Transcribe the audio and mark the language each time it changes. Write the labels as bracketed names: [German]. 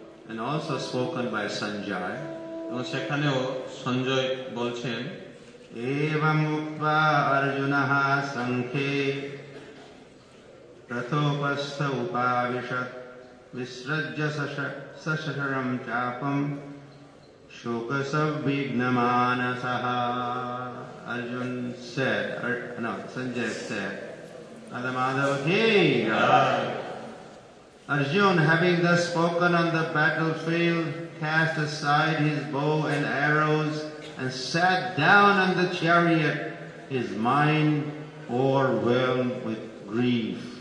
[English] And also spoken by Sanjay. [Bangla] এবং সেখানেও সঞ্জয় বলছেন [Sanskrit] এবং উক্তা অর্জুনঃ সংখে রথোপস্থ উপাবিশত বিসৃজ্য সশরম চাপম শোকসবিঘ্নমানসঃ. [English] Arjun said, no, Sanjay said, Adha Madhava ki jai. Arjun, having thus spoken on the battlefield, cast aside his bow and arrows and sat down on the chariot, his mind overwhelmed with grief.